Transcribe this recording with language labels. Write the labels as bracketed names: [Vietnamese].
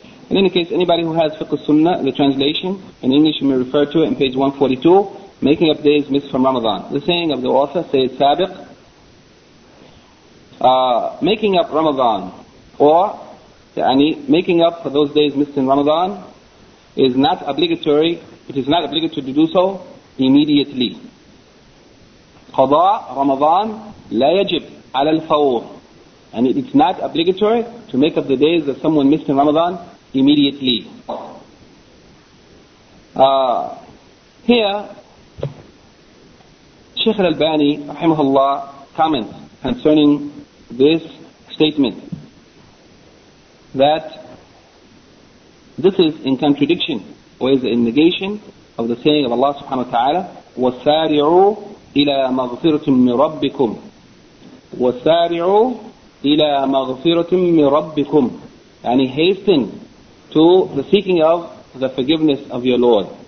[English] In any case, anybody who has Fiqh al-Sunnah, the translation, in English you may refer to it in page 142, making up days missed from Ramadan. The saying of the author, Sayyid Sabiq, making up Ramadan, or yani, making up for those days missed in Ramadan, is not obligatory, it is not obligatory to do so immediately. [Arabic] قضاء رمضان لا يجب على الفور [English] And it's not obligatory to make up the days that someone missed in Ramadan immediately. Here, Sheikh al-Albani, rahimahullah, comments concerning this statement that this is in contradiction or is in negation of the saying of Allah subhanahu wa ta'ala, [Arabic] وَسَارِعُوا إِلَى مَغْفِرَةٍ مِّن رَبِّكُمْ [English] وَسَارِعُوا إِلَى مَغْفِرَةٍ مِّن رَبِّكُمْ يعني hasten to the seeking of the forgiveness of your Lord.